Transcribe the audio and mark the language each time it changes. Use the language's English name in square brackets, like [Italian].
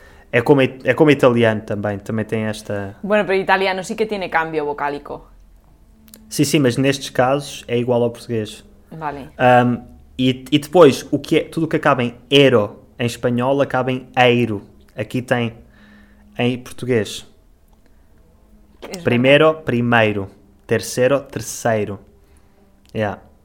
[Portuguese] É como italiano também, também tem esta... [Spanish] Bueno, pero italiano sí que tiene cambio vocálico. [Portuguese] Sim, sim, mas nestes casos é igual ao português. [Spanish] Vale. [Portuguese] E depois, o que é, tudo o que acaba em ero, em espanhol, acaba em eiro. Aqui tem... Em português. Primeiro, primeiro. Terceiro, terceiro. Yeah.